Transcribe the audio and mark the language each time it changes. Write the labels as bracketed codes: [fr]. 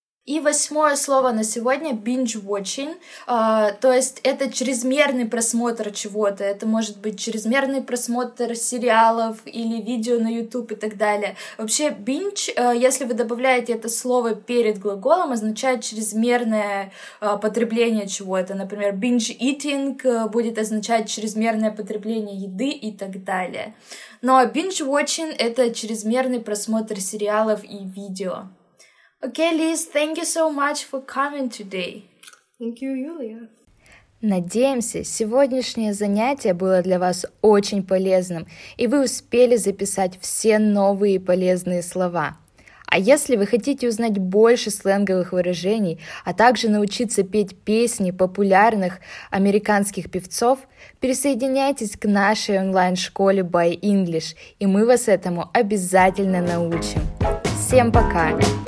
[ru] И восьмое слово на сегодня — binge-watching, то есть это чрезмерный просмотр чего-то. Это может быть чрезмерный просмотр сериалов или видео на YouTube и так далее. Вообще binge, если вы добавляете это слово перед глаголом, означает чрезмерное потребление чего-то. Например, binge-eating будет означать чрезмерное потребление еды и так далее. Но binge-watching — это чрезмерный просмотр сериалов и видео. [en] Okay, Liz, thank you so much for coming today. Thank you, Julia. [ru] Надеемся, сегодняшнее занятие было для вас очень полезным, и вы успели записать все новые полезные слова. А если вы хотите узнать больше сленговых выражений, а также научиться петь песни популярных американских певцов, присоединяйтесь к нашей онлайн-школе By English, и мы вас этому обязательно научим. Всем пока!